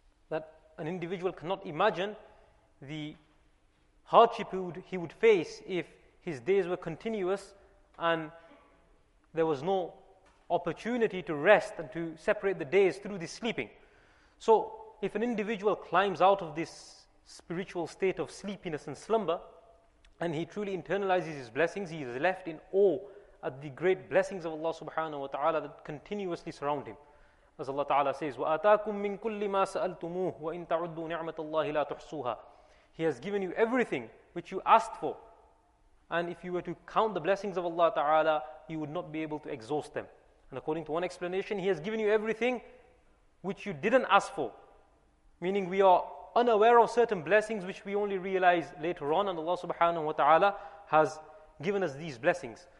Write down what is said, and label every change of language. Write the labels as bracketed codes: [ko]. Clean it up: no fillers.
[en] That an individual cannot imagine the hardship he would face if his days were continuous and there was no opportunity to rest and to separate the days through the sleeping. So if an individual climbs out of this spiritual state of sleepiness and slumber and he truly internalizes his blessings, he is left in awe at the great blessings of Allah subhanahu wa ta'ala that continuously surround him. As Allah Ta'ala says, [ar] وَآتَاكُم مِّن كُلِّ مَا سَأَلْتُمُوهُ وَإِن تَعُدُّوا نِعْمَةَ اللَّهِ لَا تُحْصُوهَا. [en] He has given you everything which you asked for. And if you were to count the blessings of Allah Ta'ala, you would not be able to exhaust them. And according to one explanation, He has given you everything which you didn't ask for. Meaning we are unaware of certain blessings which we only realize later on, and Allah subhanahu wa ta'ala has given us these blessings.